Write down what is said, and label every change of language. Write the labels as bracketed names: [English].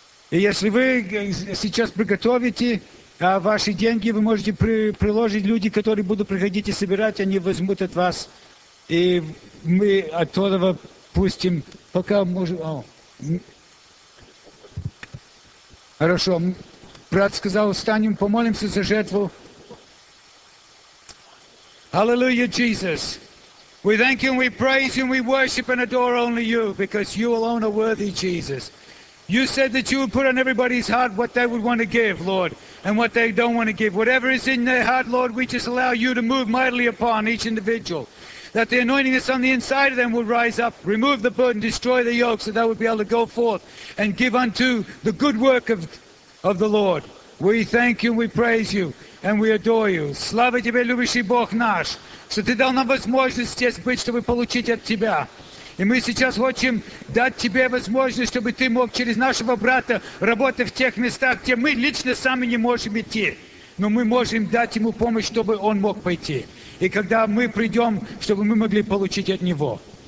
[Russian] И если вы сейчас приготовите ваши деньги, вы можете приложить люди, которые будут приходить и собирать, они возьмут от вас. И мы от этого пустим, пока можем... Хорошо. Брат сказал, встанем, помолимся за жертву. [English] Hallelujah, Jesus. We thank you and we praise you and we worship and adore only you because you alone are worthy, Jesus. You said that you would put on everybody's heart what they would want to give, Lord, and what they don't want to give. Whatever is in their heart, Lord, we just allow you to move mightily upon each individual. That the anointing that's on the inside of them would rise up, remove the burden, destroy the yoke, so they would be able to go forth and give unto the good work of the Lord. We thank you, we praise you, and we adore you. [Russian] Слава тебе, любящий Бог наш, что ты дал нам возможность здесь быть, чтобы получить от тебя. И мы сейчас хотим дать тебе возможность, чтобы ты мог через нашего брата работать в тех местах, где мы лично сами не можем идти. Но мы можем дать ему помощь, чтобы он мог пойти. И когда мы придем, чтобы мы могли получить от него.